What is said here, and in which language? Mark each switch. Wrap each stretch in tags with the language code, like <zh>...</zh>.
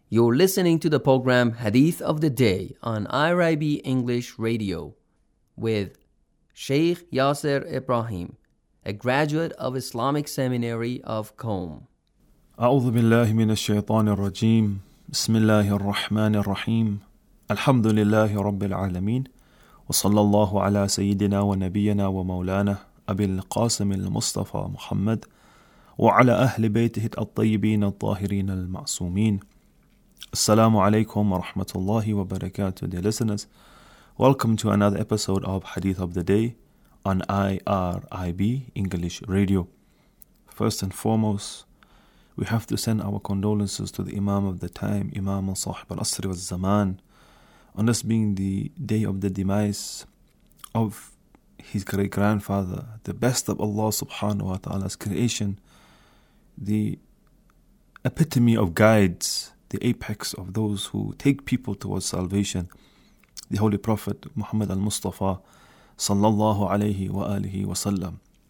<en>You're listening to the program Hadith of the Day on IRIB English Radio with Sheikh Yasser Ibrahim, a graduate of Islamic Seminary of Qom.</en> <ar>أعوذ بالله من الشيطان الرجيم بسم الله الرحمن الرحيم الحمد لله رب العالمين وصلى الله على سيدنا ونبينا ومولانا أبي القاسم المصطفى محمد وعلى أهل بيته الطيبين الطاهرين المعصومين السلام عليكم ورحمة الله وبركاته</ar> <en>dear listeners. Welcome to another episode of Hadith of the Day on IRIB English Radio. First and foremost, we have to send our condolences to the Imam of the time, Imam al-Sahib al-Asri wal-Zaman, on this being the day of the demise of his great-grandfather, the best of Allah subhanahu wa ta'ala's creation, the epitome of guides, the apex of those who take people towards salvation, the Holy Prophet Muhammad al-Mustafa sallallahu alayhi wa alihi wa sallam.</en>